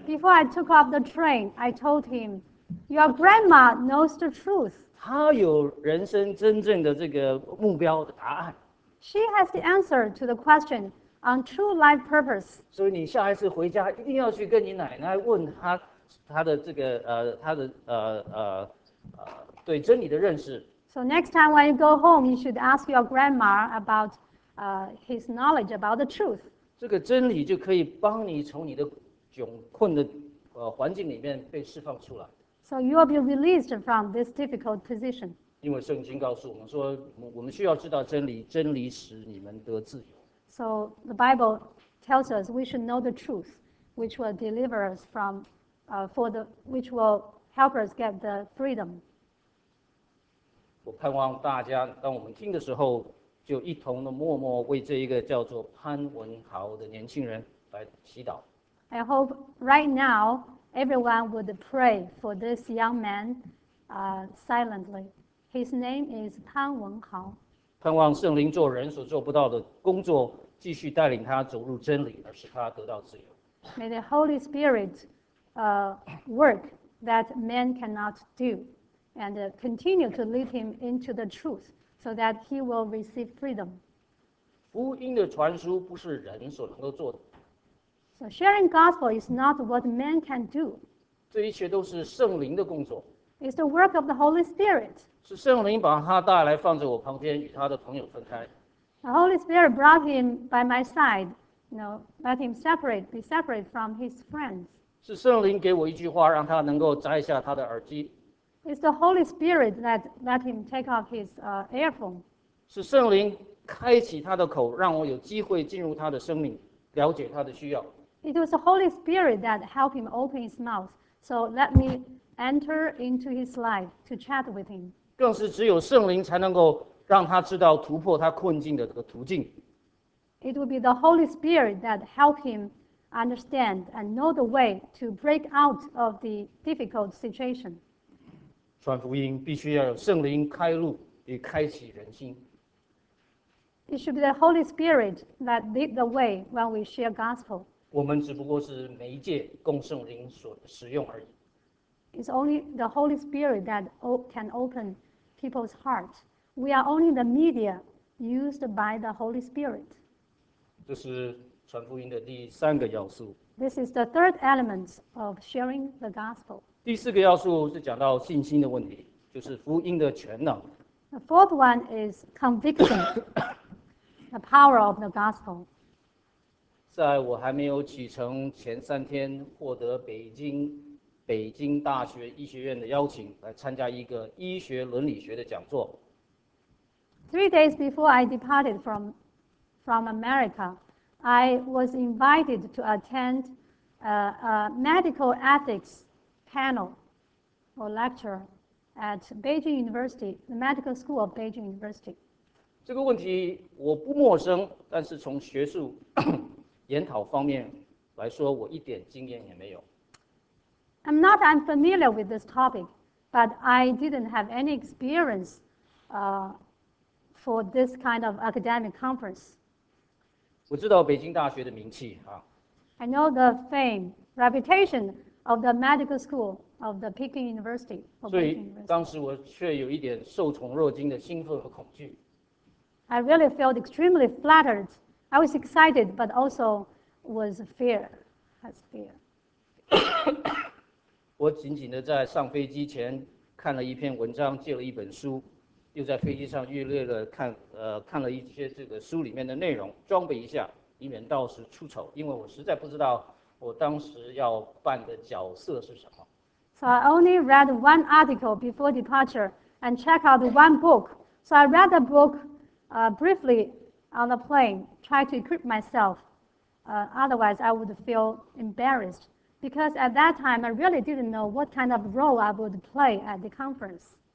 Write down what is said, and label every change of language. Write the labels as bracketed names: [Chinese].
[English] I took off the train, I told him, your grandma knows the truth. [Chinese] 她有人生真正的这个目标的答案。 [English] She has the answer to the question on true life purpose. [Chinese] 所以你下一次回家一定要去跟你奶奶问她，她的这个她的对真理的认识。 [English] So next time when you go home, you should ask your grandma about his knowledge about the truth. [Chinese] 这个真理就可以帮你从你的窘困的环境里面被释放出来。 [English] So you will be released from this difficult position. [Chinese] 因为圣经告诉我们说，我们需要知道真理，真理使你们得自由。 [English] So the Bible tells us we should know the truth, which will deliver us from, which will help us get the freedom. [Chinese] 我盼望大家，当我们听的时候，就一同的默默为这一个叫做潘文豪的年轻人来祈祷。 [English] I hope right now everyone would pray for this young man, silently. His name is Pan Wenhao. [Chinese] 盼望圣灵做人所做不到的工作，继续带领他走入真理，而使他得到自由。 [English] May the Holy Spirit, work that man cannot do, and continue to lead him into the truth, so that he will receive freedom. [Chinese] 福音的传输不是人所能够做的。 [English] So sharing gospel is not what man can do. [Chinese] 这一切都是圣灵的工作。 [English] It's the work of the Holy Spirit. [Chinese] 是圣灵把他带来放在我旁边，与他的朋友分开。 [English] The Holy Spirit brought him by my side, you know, let him separate, be separate from his friends. [Chinese] 是圣灵给我一句话，让他能够摘下他的耳机。 [English] It's the Holy Spirit that let him take off his earphone. [Chinese] 是圣灵开启他的口，让我有机会进入他的生命，了解他的需要。 [English] It was the Holy Spirit that helped him open his mouth. So let me enter into his life to chat with him. [Chinese] 更是只有圣灵才能够让他知道突破他困境的这个途径。 [English] It would be the Holy Spirit that helped him understand and know the way to break out of the difficult situation. [Chinese] 传福音必须要有圣灵开路与开启人心。 [English] It should be the Holy Spirit that lead the way when we share gospel. [Chinese] 我们只不过是媒介供圣灵所使用而已。 [English] It's only the Holy Spirit that can open people's hearts. We are only the media used by the Holy Spirit. [Chinese] 这是传福音的第三个要素。 [English] This is the third element of sharing the gospel. [Chinese] 第四个要素是讲到信心的问题，就是福音的全能。 [English] The fourth one is conviction. The power of the gospel. [Chinese] 在我还没有启程前三天，获得北京大学医学院的邀请，来参加一个医学伦理学的讲座。 [English] Three days before I departed from America, I was invited to attend a medical ethics panel or lecture at Beijing University, the Medical School of Beijing University. [Chinese] 这个问题我不陌生，但是从学术研讨方面来说，我一点经验也没有。 [English] I'm not unfamiliar with this topic, but I didn't have any experience, for this kind of academic conference. [Chinese] 我知道北京大学的名气啊。 [English] I know the fame, reputation of the medical school of the Peking University. [Chinese] 所以当时我却有一点受宠若惊的兴奋和恐惧。 [English] I really felt extremely flattered. I was excited, but also was fear. Has fear. [Chinese] 我紧紧地在上飞机前看了一篇文章，借了一本书，又在飞机上预略了看了一些这个书里面的内容，装备一下，以免到时出丑。因为我实在不知道我当时要扮的角色是什么。 [English] So I only read one article before departure and check out one book. So I read the book. Briefly on the plane, try to equip myself. Otherwise, I would feel embarrassed because at that time I really didn't know what kind of role I would play at the conference.